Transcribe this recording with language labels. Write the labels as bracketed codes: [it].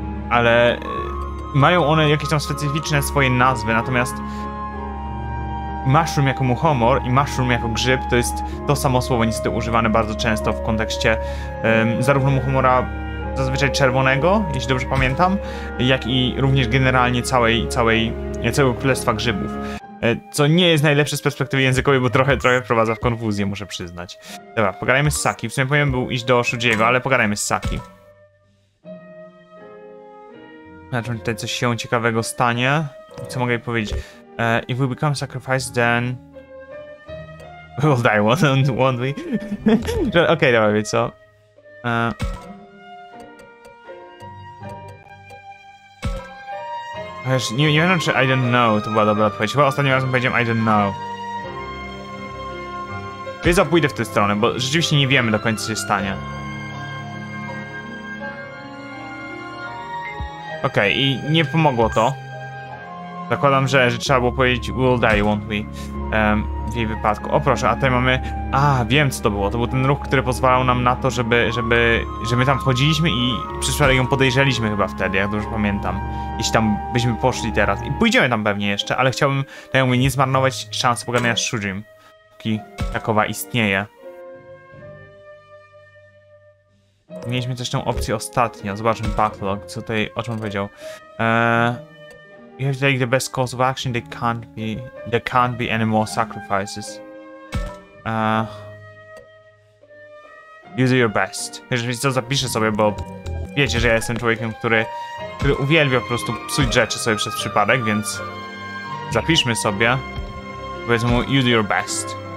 [pl] Ale mają one jakieś tam specyficzne swoje nazwy, natomiast mushroom jako muchomor i mushroom jako grzyb to jest to samo słowo, niestety używane bardzo często w kontekście zarówno muchomora zazwyczaj czerwonego, jeśli dobrze pamiętam, jak i również generalnie całego królestwa grzybów. Co nie jest najlepsze z perspektywy językowej, bo trochę wprowadza w konfuzję, muszę przyznać. Dobra, pogadajmy z Saki. W sumie powinien był iść do Shujiego, ale pogadajmy z Saki. Znaczy, tutaj coś się ciekawego stanie. Co mogę jej powiedzieć? [en] If we become sacrificed, then we will die, won't we? [pl] Okej, dobra, wie co? Nie wiem, czy [en] I don't know [pl] to była dobra odpowiedź. Chyba ostatnim razem powiedziałem [en] I don't know. [pl] Więc ja pójdę w tę stronę, bo rzeczywiście nie wiemy do końca, co się stanie. Okej, i nie pomogło to. Zakładam, że trzeba było powiedzieć [en] we'll die, won't we? [pl] W jej wypadku. O proszę, a tutaj mamy... A, wiem, co to było. To był ten ruch, który pozwalał nam na to, że my tam wchodziliśmy i przyszła ją podejrzeliśmy chyba wtedy, jak dobrze pamiętam. Jeśli tam byśmy poszli teraz. I pójdziemy tam pewnie jeszcze, ale chciałbym, tak jak mówię, nie zmarnować szansy pogadania z Shujim, póki takowa istnieje. Mieliśmy też tę opcję ostatnio. Zobaczmy backlog, co tutaj, o czym powiedział. [en] You have to take the best course of action, there can't be any more sacrifices. Use your best. [pl] Jeżeli to zapiszę sobie, bo wiecie, że ja jestem człowiekiem, który uwielbia po prostu psuć rzeczy sobie przez przypadek, więc zapiszmy sobie. Powiedzmy mu, [en] use your best.